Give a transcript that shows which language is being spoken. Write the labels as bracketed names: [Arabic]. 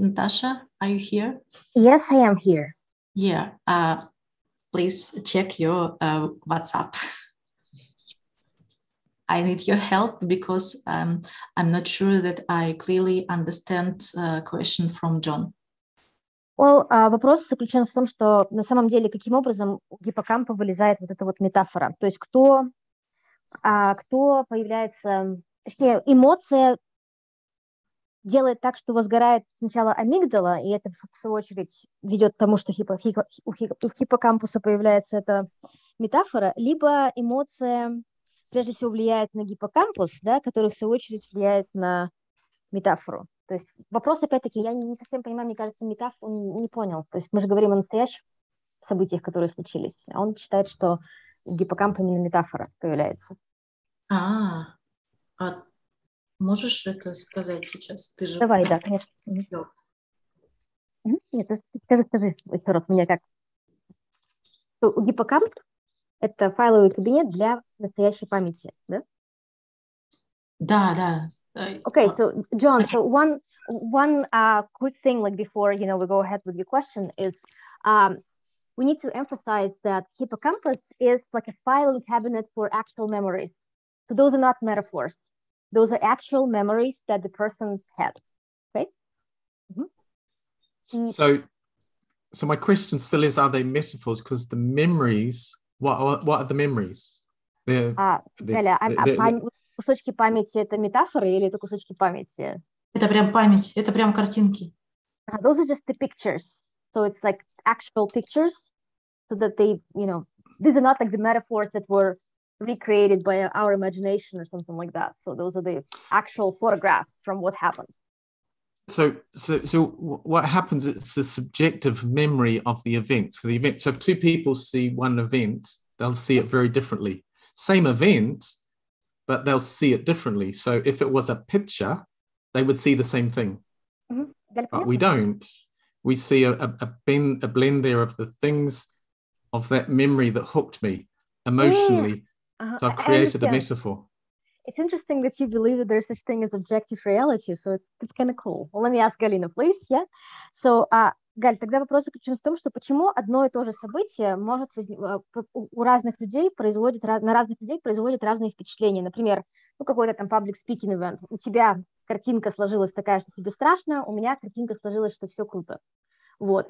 [English] Natasha, are you here? Yes, I am here. Yeah. Please check your WhatsApp. I need your help because I'm not sure that I clearly understand question from John. [Russian] Well, вопрос заключен в том, что на самом деле каким образом у гиппокампа вылезает вот эта вот метафора? То есть кто появляется, точнее, эмоция делает так, что возгорает сначала амигдала, и это в свою очередь ведет к тому, что у гиппокампуса появляется эта метафора, либо эмоция прежде всего влияет на гиппокампус, да, который в свою очередь влияет на метафору. То есть вопрос, опять-таки, я не совсем понимаю, мне кажется, метафору не понял. То есть мы же говорим о настоящих событиях, которые случились. Он считает, что гиппокамп именно метафора появляется. А можешь это сказать сейчас? Ты же... Давай, да, конечно. Mm-hmm. Нет, скажи еще раз, меня как. У гиппокамп... Это файловый кабинет для настоящей памяти, да? Да, да. [English] Okay, so John, so one quick thing, like before, you know, we go ahead with your question is, we need to emphasize that hippocampus is like a filing cabinet for actual memories. So those are not metaphors; those are actual memories that the person had, okay? Mm-hmm. So my question still is: are they metaphors? Because the memories. What are the memories? [Russian] Кусочки памяти — это метафоры или это кусочки памяти? Это прям память, это прям картинки. [English] Those are just the pictures. So it's like actual pictures, so that they, you know, these are not like the metaphors that were recreated by our imagination or something like that. So those are the actual photographs from what happened. So what happens, it's a subjective memory of the event. So the event, so if two people see one event, they'll see it very differently. Same event, but they'll see it differently. So if it was a picture, they would see the same thing. Mm-hmm. But we don't. We see a blend there of the things of that memory that hooked me emotionally. Uh-huh. So I've created a metaphor. It's interesting that you believe that there's such thing as objective reality. So it's kind of cool. Well, let me ask Галина, please. Yeah. [Russian] So, Галь, тогда вопрос заключен в том, что почему одно и то же событие может у разных людей производит, на разных людей производит разные впечатления. Например, ну какой-то там [English] public speaking event. [Russian] У тебя картинка сложилась такая, что тебе страшно, у меня картинка сложилась, что все круто. Вот.